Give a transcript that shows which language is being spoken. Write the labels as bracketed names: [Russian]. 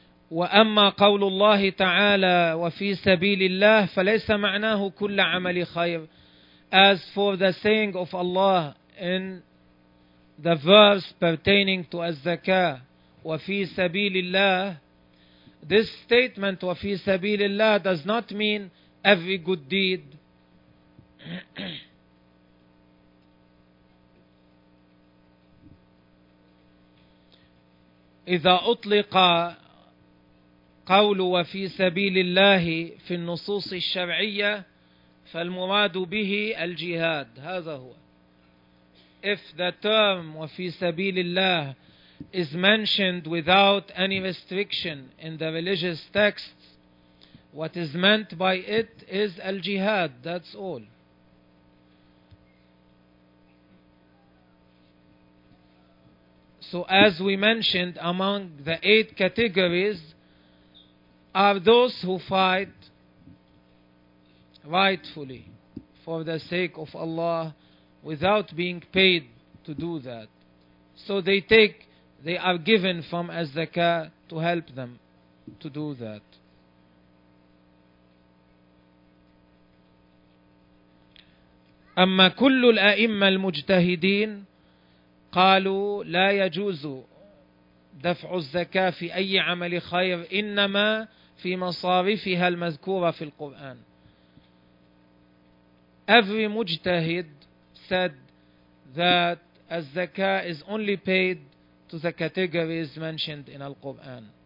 [Arabic] وأما قول الله تعالى وفي سبيل الله فليس معناه كل عمل خير. [English] As for the saying of Allah in the verse pertaining to [Arabic] الزكاه وفي سبيل الله, [English] this statement [Arabic] وفي سبيل الله [English] does not mean every good deed. [Arabic] إذا أطلق قول وفي سبيل الله في النصوص الشرعية فالمراد به الجهاد. هذا هو. [English] If the term [Arabic] وفي سبيل الله [English] is mentioned without any restriction in the religious texts, what is meant by it is الجهاد. That's all. So as we mentioned, among the 8 categories are those who fight rightfully for the sake of Allah without being paid to do that. So they are given from az-zakah to help them to do that. [Arabic] أما كل الأئمة المجتهدين قالوا لا يجوز دفع الزكاة في أي عمل خير إنما في مصارفها المذكورة في القرآن. [English] Every mujtahid said that الزكاه is only paid to the categories mentioned in the Quran.